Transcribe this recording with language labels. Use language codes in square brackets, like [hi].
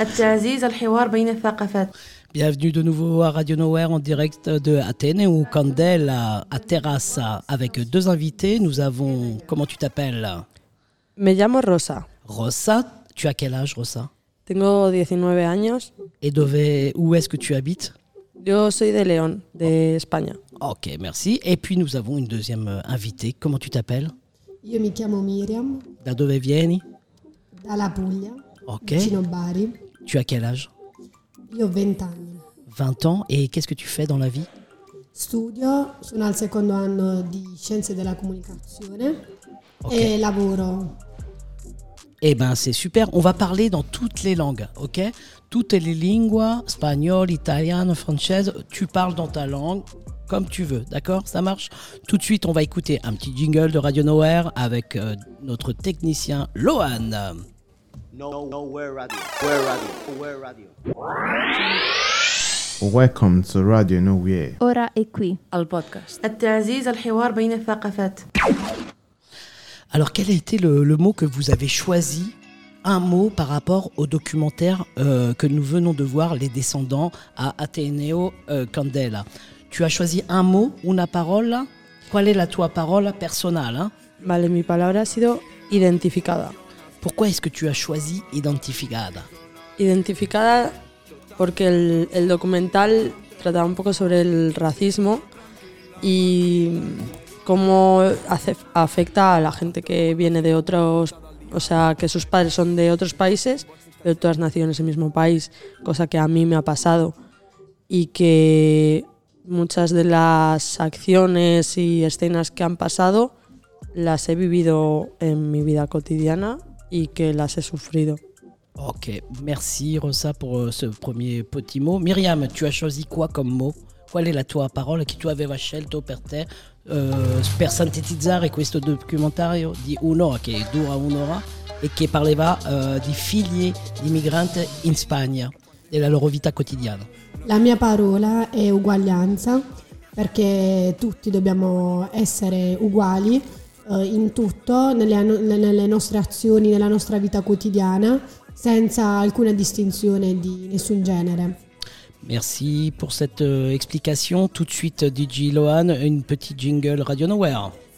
[ar] التعزيز الحوار بين الثقافات. [fr] Bienvenue de nouveau à Radio Nowhere en direct de Athènes ou Candel à Terrassa avec deux invités. Nous avons, comment tu t'appelles? [es] Me llamo Rosa. [fr] Rosa, tu as quel âge, Rosa? [es] Tengo 19 años. [fr] Et où est-ce que tu habites? [es] Yo soy de León, de España. [fr] Ok, merci. Et puis nous avons une deuxième invitée. Comment tu t'appelles? [it] Io mi chiamo Miriam. Da dove vieni? Dalla Puglia. Ok. Vicino Bari. [fr] Tu as quel âge? [it] Io ho 20 anni. [fr] 20 ans. Et qu'est-ce que tu fais dans la vie? [it] Studio, sono al secondo anno di scienze della comunicazione. Okay. Et lavoro. [fr] Eh ben, c'est super. On va parler dans toutes les langues, ok? Toutes les lingues, espagnol, italien, français, tu parles dans ta langue comme tu veux, d'accord? Ça marche? Tout de suite, on va écouter un petit jingle de Radio Nowhere avec notre technicien, Loan. [en] Welcome to Radio Nowhere. [it] Ora è qui, al podcast. [ar] التعزيز الحوار بين الثقافات. [fr] Alors, quel a été le mot que vous avez choisi? Un mot par rapport au documentaire que nous venons de voir, Les Descendants, à Ateneo Candela. Tu as choisi un mot, [it] una parola. [fr] Quelle est la [it] tua parola personale, [fr] hein? [es] Vale, mi palabra ha sido identificada. [fr] Pourquoi est-ce que tu as choisi identificada? [es] Identificada porque el documental trata un poco sobre el racismo y cómo afecta a la gente que viene de otros, o sea, que sus padres son de otros países, pero tú has nacido en ese mismo país, cosa que a mí me ha pasado, y que muchas de las acciones y escenas que han pasado las he vivido en mi vida cotidiana y que las he sufrido. [fr] Ok, merci Rosa pour ce premier petit mot. Miriam, tu as choisi quoi comme mot? Quelle est la tua parole que tu avais [it] scelto per te? Per sintetizzare questo documentario di un'ora, che dura un'ora e che parlava di figli di migranti in Spagna e la loro vita quotidiana. La mia parola è uguaglianza, perché tutti dobbiamo essere uguali in tutto, nelle nostre azioni, nella nostra vita quotidiana, senza alcuna distinzione di nessun genere. [fr] Merci pour cette explication. Tout de suite, DJ Loan, une petite jingle Radio Nowhere.